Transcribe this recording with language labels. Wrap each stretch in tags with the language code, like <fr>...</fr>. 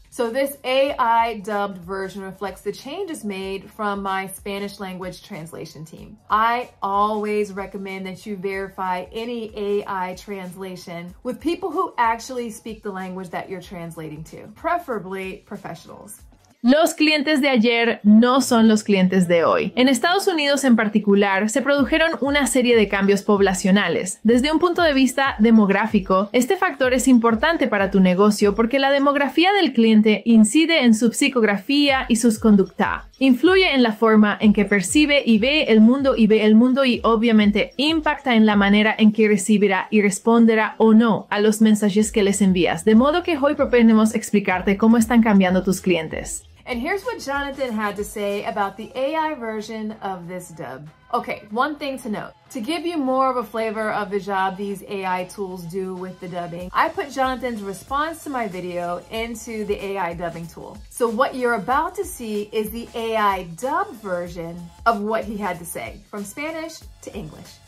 <en>So this AI dubbed version reflects the changes made from my Spanish language translation team. I always recommend that you verify any AI translation with people who actually speak the language that you're translating to, preferably professionals.</en> <es>Los clientes de ayer no son los clientes de hoy. En Estados Unidos en particular, se produjeron una serie de cambios poblacionales. Desde un punto de vista demográfico, este factor es importante para tu negocio porque la demografía del cliente incide en su psicografía y sus conductas. Influye en la forma en que percibe y ve el mundo y obviamente impacta en la manera en que recibirá y responderá o no a los mensajes que les envías. De modo que hoy proponemos explicarte cómo están cambiando tus clientes.</es> <en>And here's what Jonathan had to say about the AI version of this dub. Okay, one thing to note. To give you more of a flavor of the job these AI tools do with the dubbing, I put Jonathan's response to my video into the AI dubbing tool. So what you're about to see is the AI dub version of what he had to say, from Spanish to English.</en>